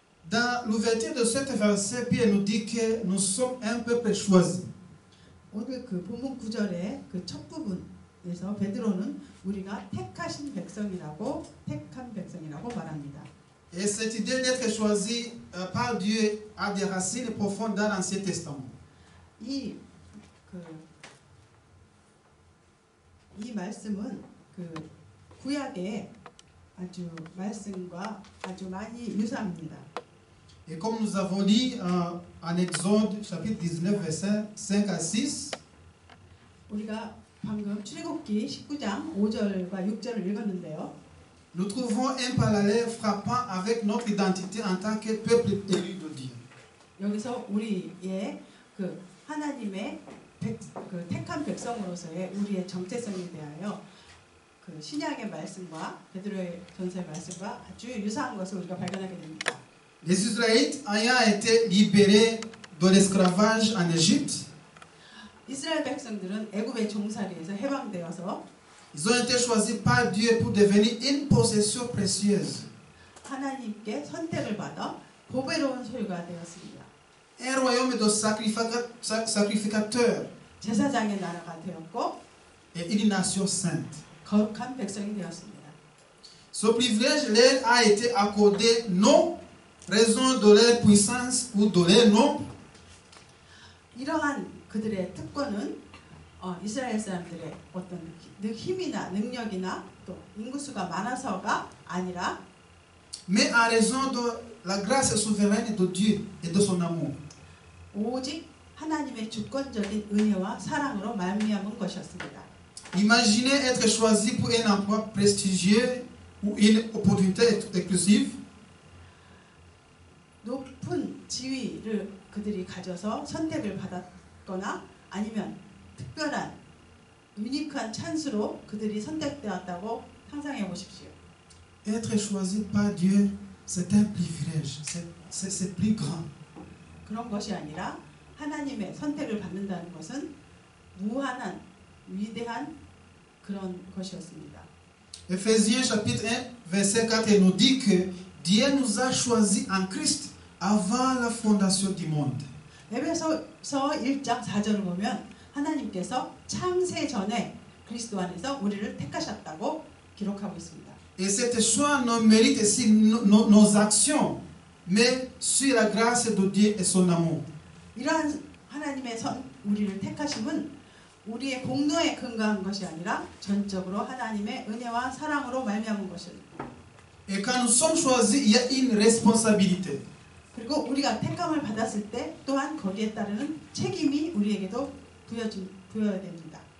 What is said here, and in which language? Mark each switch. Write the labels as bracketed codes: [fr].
[fr] Dans l'ouverture de cet verset, Pierre nous dit que nous sommes un peuple choisi. [ko] 오늘 그 본문 구절의 그 첫 부분에서 베드로는 우리가 택하신 백성이라고 택한 백성이라고 말합니다. [fr] Et cette idée d'être choisi par Dieu a des racines profondes dans l'Ancien Testament. [ko] 이 말씀은 그 구약의 아주 말씀과 아주 많이 유사합니다. [fr] Et comme nous avons dit en Exode chapitre 19 verset 5 à 6. [ko] 우리가 방금 출애굽기 19장 5절과 6절을 읽었는데요. [fr] Nous trouvons un parallèle frappant avec notre identité en tant que peuple élu de Dieu. [ko] 여기서 우리의 그 하나님의 그 택한 백성으로서의 우리의 정체성에 대하여 그 신약의 말씀과 베드로의 전서의 말씀과 아주 유사한 것을 우리가 발견하게 됩니다. [fr] Les Israélites ayant été libérés de l'esclavage en Égypte, [ko] 이스라엘 백성들은 애굽의 종살이에서 해방되어서 [fr] ils ont été choisis par Dieu pour devenir une possession précieuse. [ko] 하나님께 선택을 받아 보배로운 소유가 되었습니다. [fr] Un royaume de sacrificateurs. [ko] 제사장의 나라가 되었고 [fr] et une nation sainte. [ko] 거룩한 백성이 되었습니다. [fr] Ce privilège leur a été accordé non raison de leur puissance ou de leur nom. [ko] 이러한 그들의 특권은 이스라엘 사람들의 어떤 힘이나 능력이나 또 인구수가 많아서가 아니라 [fr] mais en raison de la grâce souveraine de Dieu et de son amour. [ko] 오직 하나님의 주권적인 은혜와 사랑으로 말미암은 것이었습니다. [fr] Imaginez être choisi pour un emploi prestigieux ou une opportunité exclusive. [ko] 높은 지위를 그들이 가져서 선택을 받았거나 아니면 특별한 유니크한 찬스로 그들이 선택되었다고 상상해 보십시오. [fr] Être choisi par Dieu, c'est un privilège. C'est plus grand. [ko] 그런 것이 아니라 하나님의 선택을 받는다는 것은 무한한 위대한 그런 것이었습니다. [fr] Ephésiens chapitre 1 verset 4 nous dit que Dieu nous a choisi en Christ avant la fondation du monde. [ko] 에베소서 1장 4절을 보면 하나님께서 창세 전에 그리스도 안에서 우리를 택하셨다고 기록하고 있습니다. [fr] Et cette choix ne mérite si nos actions, mais sur la grâce de Dieu et son amour. [ko] 이러한 하나님의 우리를 택하심은 우리의 공로에 근거한 것이 아니라 전적으로 하나님의 은혜와 사랑으로 말미암은 것입니다. [fr] Et quand nous sommes choisis, il y a une responsabilité. [ko] 그리고 우리가 택함을 받았을 때 또한 거기에 따르는 책임이 우리에게도 부여야 됩니다.